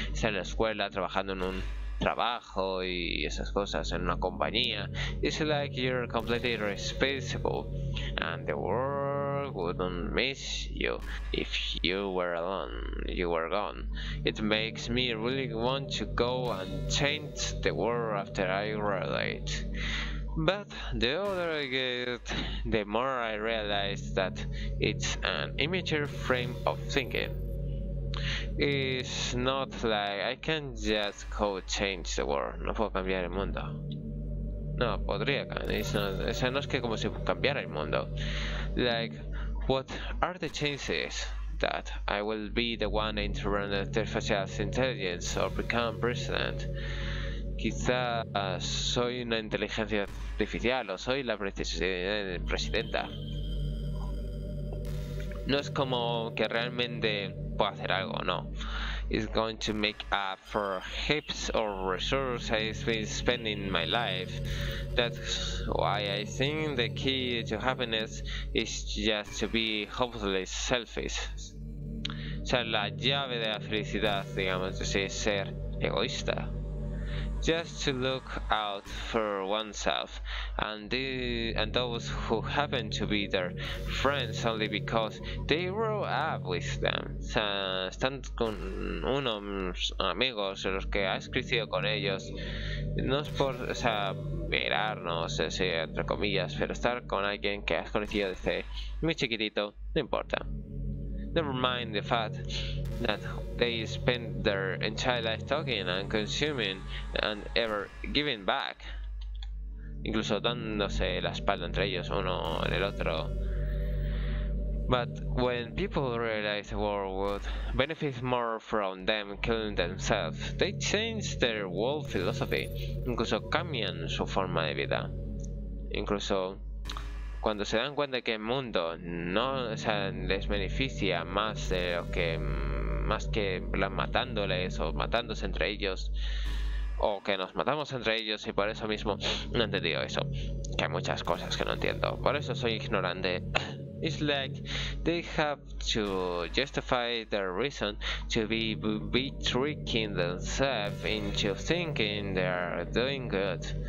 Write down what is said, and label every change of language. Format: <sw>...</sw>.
<es>Estar en la escuela trabajando en un trabajo y esas cosas en una compañía.</es> <en>It's like you're completely irresponsible and the world wouldn't miss you if you were alone, you were gone. It makes me really want to go and change the world after I graduate. But the older I get, the more I realize that it's an immature frame of thinking. It's not like I can just go change the world.</en> <es>No puedo cambiar el mundo. No, podría. No es que como si cambiara el mundo.</es> <en>Like, what are the chances that I will be the one to run artificial intelligence or become president?</en> <es>Quizá soy una inteligencia artificial o soy la presidenta. No es como que realmente pueda hacer algo, no.</es> <en>It's going to make up for heaps of resources I've been spending in my life. That's why I think the key to happiness is just to be hopelessly selfish.</en> <es>O sea, la llave de la felicidad, digamos así, es ser egoísta.</es> <en>Just to look out for oneself and those who happen to be their friends only because they grow up with them.</en> <es>O sea, están con unos amigos en los que has crecido con ellos. No es por, o sea, mirar, no sé si entre comillas, pero estar con alguien que has conocido desde muy chiquitito, no importa.</es> <en>Never mind the fact that they spend their entire life talking and consuming and ever giving back.</en> <es>Incluso dándose la espalda entre ellos uno en el otro.</es> <en>But when people realize the world would benefit more from them killing themselves, they change their world philosophy.</en> <es>Incluso cambian su forma de vida. Incluso cuando se dan cuenta que el mundo no, o sea, les beneficia más de lo que más que matándoles o matándose entre ellos, o que nos matamos entre ellos, y por eso mismo no he entendido eso, que hay muchas cosas que no entiendo, por eso soy ignorante.</es> <en>It's like they have to justify their reason to be tricking themselves into thinking they are doing good.</en>